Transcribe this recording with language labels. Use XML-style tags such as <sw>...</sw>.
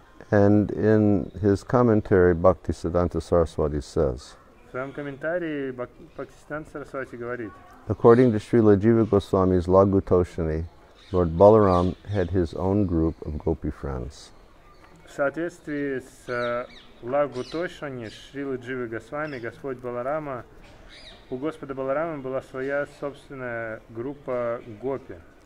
<en>And in his commentary, Bhaktisiddhanta Saraswati says,</en> <ru>в своем комментарии Бхактисиддханта Сарасвати говорит,</ru> <en>according to Srila Jiva Goswami's Lagu Toshani, Lord Balaram had his own group of gopi friends.</en> <ru>В соответствии с Лагу Тошани, Шрилы Дживы Госвами, Господь Баларама, у Господа Баларама была своя собственная группа гопи.</ru>